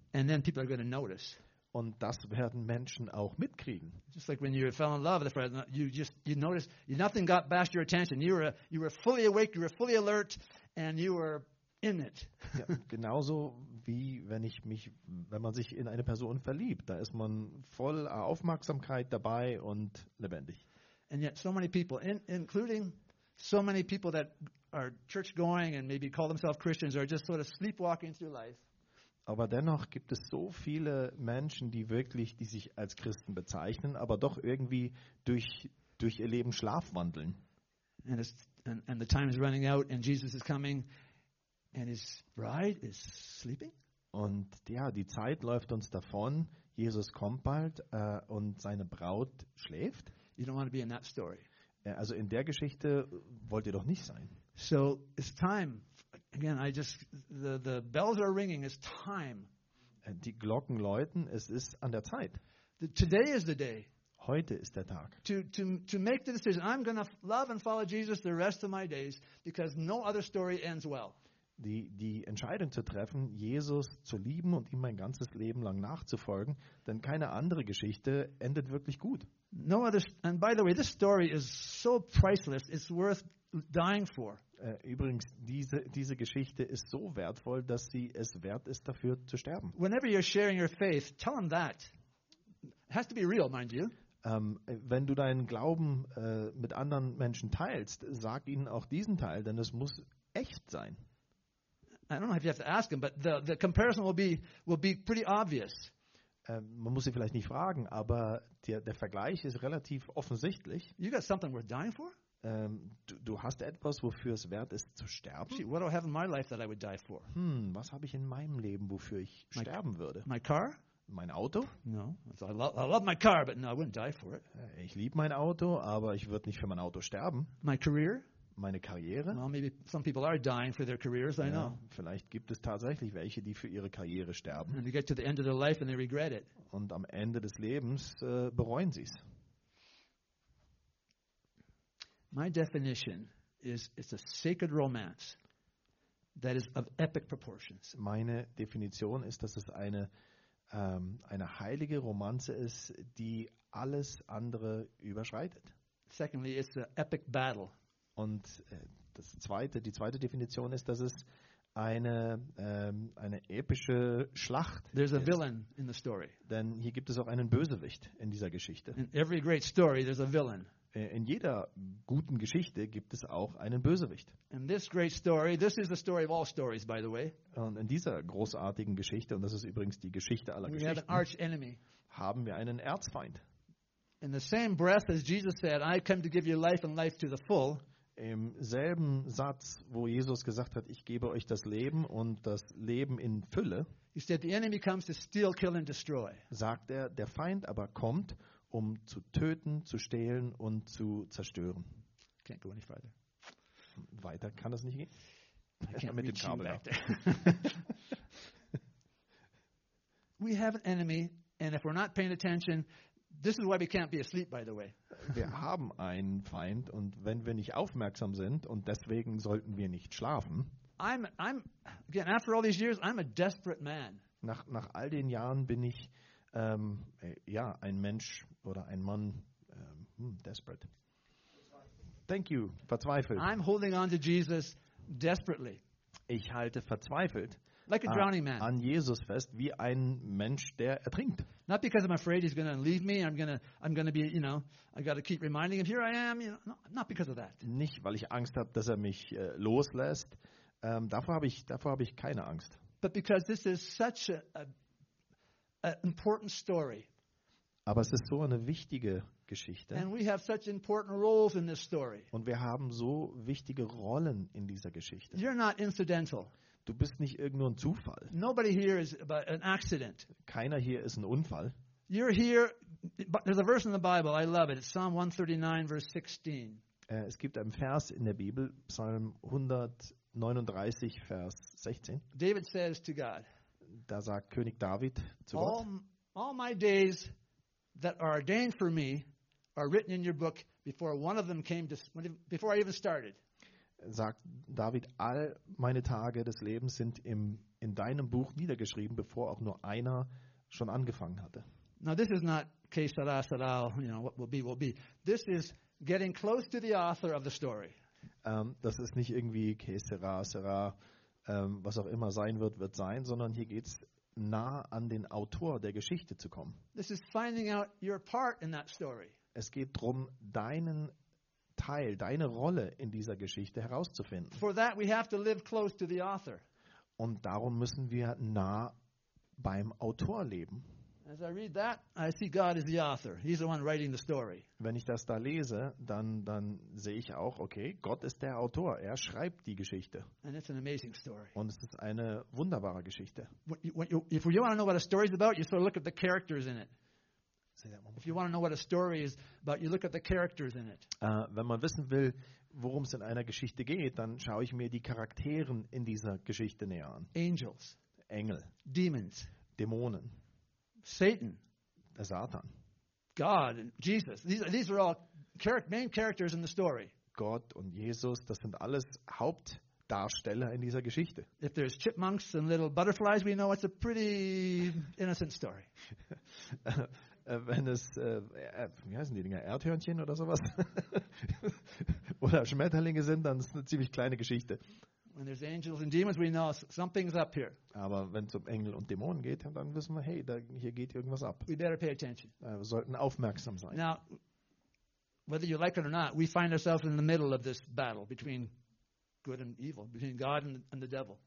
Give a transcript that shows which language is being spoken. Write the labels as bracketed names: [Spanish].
[English] And then people are going to notice. [German] Und das werden Menschen auch mitkriegen. [English] Just like when you fell in love, you noticed nothing got past your attention. You were fully awake, you were fully alert. And you were in it. [German] Ja, genauso wie wenn man sich in eine Person verliebt, da ist man voll Aufmerksamkeit dabei und lebendig. [English] And yet so many people, including so many people that are church going and maybe call themselves Christians, are just sort of sleepwalking through life. [German] Aber dennoch gibt es so viele Menschen, die sich als Christen bezeichnen, aber doch irgendwie durch ihr Leben schlafwandeln. [English] And the time is running out and Jesus is coming and his bride is sleeping. [German] Und ja, die Zeit läuft uns davon. Jesus kommt bald und seine Braut schläft. [English] You don't want to be in that story. [German] Also in der Geschichte wollt ihr doch nicht sein. [English] So it's time. Again, I just the bells are ringing. It's time. [German] Die Glocken läuten. Es ist an der Zeit. [English] Today is the day. [German] Heute ist der Tag. [English] To make the decision, I'm going to love and follow Jesus the rest of my days, because no other story ends well. [German] Die Entscheidung zu treffen, Jesus zu lieben und ihm mein ganzes Leben lang nachzufolgen, denn keine andere Geschichte endet wirklich gut. [English] No other. And by the way, this story is so priceless. It's worth dying for. [German] Übrigens, diese Geschichte ist so wertvoll, dass sie es wert ist, dafür zu sterben. [English] Whenever you're sharing your faith, tell them that. Has to be real, mind you. [German] Wenn du deinen Glauben mit anderen Menschen teilst, sag ihnen auch diesen Teil, denn es muss echt sein. [English] I don't know if you have to ask them, but the comparison will be pretty obvious. [German] Man muss sie vielleicht nicht fragen, aber der Vergleich ist relativ offensichtlich. [English] You got something worth dying for? [German] Du hast etwas, wofür es wert ist zu sterben. [English] What do I have in my life that I would die for? [German] Was habe ich in meinem Leben, wofür ich sterben würde? [English] My car? [German] Mein Auto? [English] No, I love my car, but no, I wouldn't die for it. [German] Ich liebe mein Auto, aber ich würde nicht für mein Auto sterben. [English] My career? [German] Meine Karriere? [English] Well, maybe some people are dying for their careers. I know. [German] Vielleicht gibt es tatsächlich welche, die für ihre Karriere sterben. [English] And they get to the end of their life and they regret it. [German] Und am Ende des Lebens bereuen sie es. [English] My definition is it's a sacred romance that is of epic proportions. [German] Meine Definition ist, dass es eine eine heilige Romanze ist, die alles andere überschreitet. [English] Secondly, it's an epic battle. [German] Und die zweite Definition ist, dass es eine epische Schlacht. [English] There's a villain in the story. [German] Denn hier gibt es auch einen Bösewicht in dieser Geschichte. [English] In every great story there's a villain. [German] In jeder guten Geschichte gibt es auch einen Bösewicht. [English] In this great story, this is the story of all stories, by the way. [German] Und in dieser großartigen Geschichte, und das ist übrigens die Geschichte aller Geschichten, [English] we have an arch enemy. [German] Haben wir einen Erzfeind. [English] In the same breath as Jesus said, I come to give you life and life to the full. [German] Im selben Satz, wo Jesus gesagt hat, ich gebe euch das Leben und das Leben in Fülle, sagt er, der Feind aber kommt, um zu töten, zu stehlen und zu zerstören. [English] Can't go any further. [German] Weiter kann das nicht gehen. Mit dem Kabel. [English] We have an enemy, and if we're not paying attention, this is why we can't be asleep, by the way. [German] Wir haben einen Feind, und wenn wir nicht aufmerksam sind, und deswegen sollten wir nicht schlafen. [English] I'm again, after all these years, I'm a desperate man. [German] Nach all den Jahren bin ich ein Mensch oder ein Mann, desperate. [English] Thank you, verzweifelt. I'm holding on to Jesus desperately. [German] Ich halte verzweifelt. [English] Like a drowning man. [German] An Jesus fest, wie ein Mensch, der ertrinkt. [English] Not because I'm afraid he's going to leave me. I'm going to be, you know, I got to keep reminding him, here I am. You know, not because of that. [German] Nicht, weil ich Angst habe, dass er mich loslässt. Davor habe ich keine Angst. [English] But because this is such an important story. [German] Aber es ist so eine wichtige Geschichte. [English] And we have such important roles in this story. [German] Und wir haben so wichtige Rollen in dieser Geschichte. [English] You're not incidental. [German] Du bist nicht irgendwo ein Zufall. [English] Nobody here is but an accident. [German] Keiner hier ist ein Unfall. [English] You're here, but there's a verse in the Bible, I love it. It's Psalm 139, verse 16. [German] Es gibt einen Vers in der Bibel, Psalm 139, Vers 16. [English] David says to God, [German] da sagt König David zu Gott, [English] all my days that are ordained for me are written in your book before one of them came, before I even started. [German] Sagt David, all meine Tage des Lebens sind in deinem Buch niedergeschrieben, bevor auch nur einer schon angefangen hatte. [English] Now this is not que sera, sera, you know, what will be. This is getting close to the author of the story. [German] Das ist nicht irgendwie que sera, sera, was auch immer sein wird, wird sein, sondern hier geht es nah an den Autor der Geschichte zu kommen. [English] This is finding out your part in that story. [German] Es geht darum, deinen Teil, deine Rolle in dieser Geschichte herauszufinden. [English] For that we have to live close to the author. [German] Und darum müssen wir nah beim Autor leben. [English] As I read that, I see God is the author. He's the one writing the story. [German] Wenn ich das da lese, dann sehe ich auch, okay, Gott ist der Autor. Er schreibt die Geschichte. [English] And it's an amazing story. [German] Und es ist eine wunderbare Geschichte. [English] If you want to know what a story is about, you sort of look at the characters in it. If you want to know what a story is about, you look at the characters in it. [German] Wenn man wissen will, worum es in einer Geschichte geht, dann schaue ich mir die Charakteren in dieser Geschichte näher an. [English] Angels. [German] Engel. [English] Demons. [German] Dämonen. [English] Satan. [German] Der Satan. [English] God and Jesus. These are all main characters in the story. [German] Gott und Jesus, das sind alles Hauptdarsteller in dieser Geschichte. [English] If there's chipmunks and little butterflies, we know it's a pretty innocent story. [German] Wenn es, wie heißen die Dinger, Erdhörnchen oder sowas, oder Schmetterlinge sind, dann ist es eine ziemlich kleine Geschichte. [English] When there's angels and demons, we know something's up here. [German] Aber wenn es um Engel und Dämonen geht, dann wissen wir, hey, hier geht irgendwas ab. [English] We better pay attention. [German] Wir sollten aufmerksam sein. [English] Now, whether you like it or not, we find ourselves in the middle of this battle between good and evil, between God and the devil.